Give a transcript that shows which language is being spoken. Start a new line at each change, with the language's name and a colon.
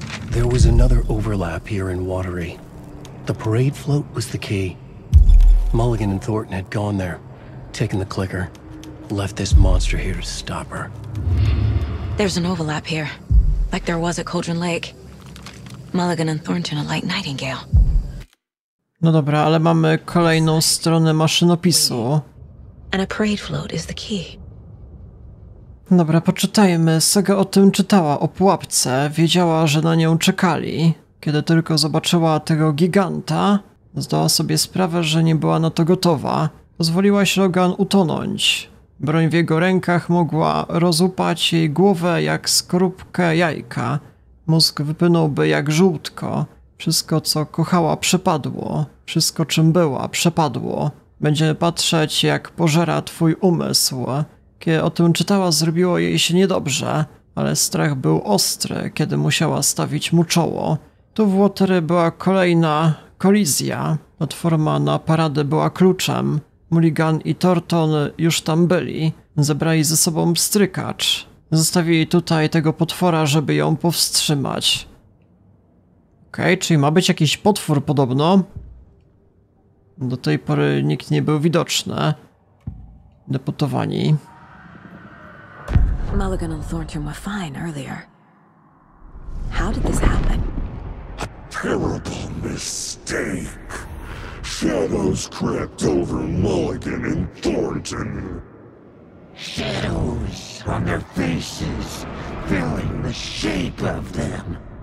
English: There was another overlap here in Watery. The parade float was the key. Mulligan and Thornton had gone there, taken the clicker, left this monster here to stop her. There's an overlap here, like there was at Cauldron Lake. Mulligan and Thornton are like Nightingale.
Polish: No dobra, ale mamy kolejną stronę maszynopisu.
English: And a parade float is the key.
Polish: Dobra, poczytajmy. Saga o tym czytała, o pułapce. Wiedziała, że na nią czekali. Kiedy tylko zobaczyła tego giganta, zdała sobie sprawę, że nie była na to gotowa. Pozwoliła Shogun utonąć. Broń w jego rękach mogła rozłupać jej głowę jak skorupkę jajka. Mózg wypłynąłby jak żółtko. Wszystko, co kochała, przepadło. Wszystko, czym była, przepadło. Będzie patrzeć, jak pożera twój umysł. Kiedy o tym czytała, zrobiło jej się niedobrze, ale strach był ostry, kiedy musiała stawić mu czoło. Tu w Watery była kolejna kolizja. Platforma na paradę była kluczem. Mulligan i Thornton już tam byli. Zebrali ze sobą pstrykacz. Zostawili tutaj tego potwora, żeby ją powstrzymać. Okej, czyli ma być jakiś potwór podobno. Do tej pory nikt nie był widoczny. Deputowani.
English: Mulligan and Thornton were fine earlier. How did this happen? A terrible mistake. Shadows crept over Mulligan and Thornton. Shadows on their faces, filling the shape of them.